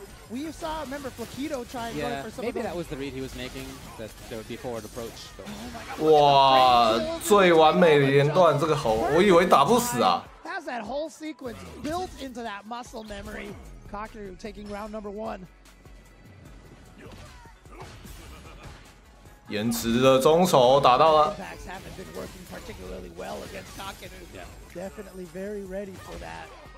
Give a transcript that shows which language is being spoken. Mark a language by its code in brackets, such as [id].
[en] We saw, remember, Flaquito trying to go for some. Maybe that was the read he was making, that there would be forward approach. Oh my god. [zh] 哇，最完美的连段，这个猴，我以为打不死啊。 [en] Has that whole sequence built into that muscle memory. Kakeru taking round number one. [zh] 延迟的中手打到了。 [en] Impacts haven't been working particularly well against Kakeru. Definitely very ready for that.